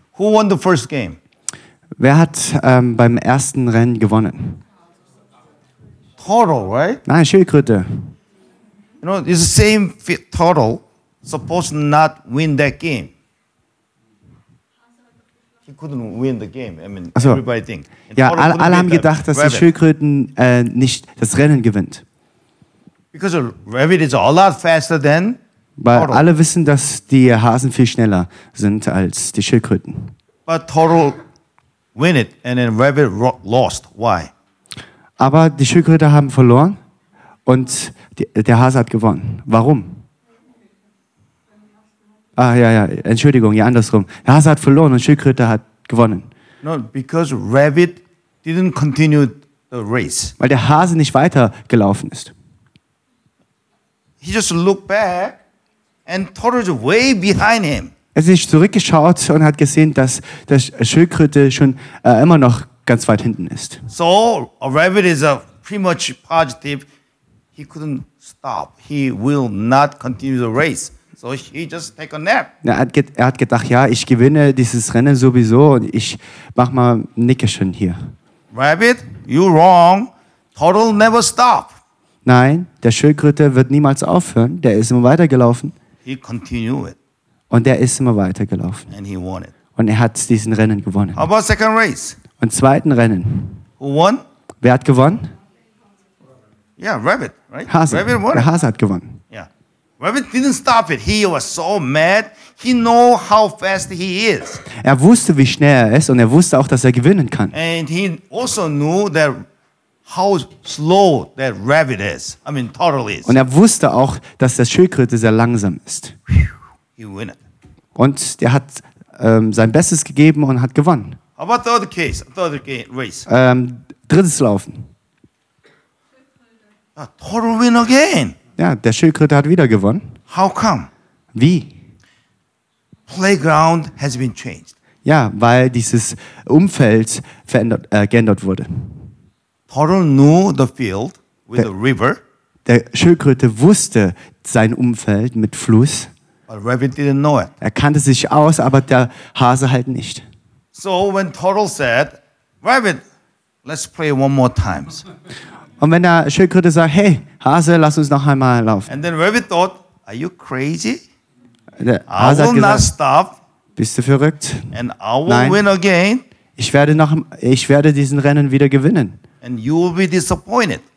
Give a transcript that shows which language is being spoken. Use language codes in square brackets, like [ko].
[en] Who won the first game? [de] Wer hat beim ersten Rennen gewonnen? [en] Turtle, right? [de] Nein, Schildkröte. [en] You know, it's the same turtle supposed to not win that game. He couldn't win the game. I mean, [de] also, [en] everybody think. [de] Ja, alle haben gedacht, dass die Schildkröten nicht das Rennen gewinnt. [en] Because a rabbit is a lot faster than [de] weil turtle. Alle wissen, dass die Hasen viel schneller sind als die Schildkröten. [en] But turtle win it and then rabbit lost. Why? [de] Aber die Schildkröte haben verloren und der Hase hat gewonnen. Warum? Ah ja ja, Entschuldigung, ja andersrum. Der Hase hat verloren und Schildkröte hat gewonnen. [en] No, because rabbit didn't continue the race. [de] Weil der Hase nicht weitergelaufen ist. [en] He just looked back and turtle is way behind him. [de] Er hat sich zurückgeschaut und hat gesehen, dass der Schildkröte schon immer noch ganz weit hinten ist. [en] So, a rabbit is a pretty much positive. He couldn't stop. He will not continue the race. So he just take a nap. [de] Er hat gedacht, ja, ich gewinne dieses Rennen sowieso und ich mach mal Nickerchen hier. [en] Rabbit, you wrong. Turtle never stop. [de] Nein, der Schildkröte wird niemals aufhören. Der ist immer weitergelaufen. [en] He continued. [de] Und der ist immer weitergelaufen. [en] And he won it. [de] Und er hat diesen Rennen gewonnen. [en] How about second race? [de] Und zweiten Rennen. [en] Who won? [de] Wer hat gewonnen? [en] Yeah, rabbit. right? [de] Hase. [en] Rabbit won. [de] Der Hase hat gewonnen. [en] Yeah. Rabbit didn't stop it. He was so mad. He know how fast he is. [de] Er wusste, wie schnell er ist, und er wusste auch, dass er gewinnen kann. [en] And he also knew that how slow that rabbit is. I mean, turtle is. [de] Und er wusste auch, dass der Schildkröte sehr langsam ist. [en] He win it. [de] Und der hat sein Bestes gegeben und hat gewonnen. [en] How about the other case? The other race. [de] Drittes Laufen. [en] A total win again. [de] Ja, der Schildkröte hat wieder gewonnen. [en] How come? [de] Wie? [en] Playground has been changed. [de] Ja, weil dieses Umfeld verändert, geändert wurde. [en] Total knew the field with the river. [de] Der Schildkröte wusste sein Umfeld mit Fluss. [en] But rabbit didn't know it. [de] Er kannte sich aus, aber der Hase halt nicht. [en] So when Turtle said, "Rabbit, let's play one more times." [de] Und wenn der Schildkröte sagt, "Hey Hase, lass uns noch einmal laufen." [en] And then Rabbit thought, "Are you crazy? [de] Der Hase [en] I will [de] gesagt, [en] not stop. [de] Bist du verrückt? [en] And I will Nein. win again. [de] Ich werde diesen Rennen wieder gewinnen. [en] And you will be disappointed.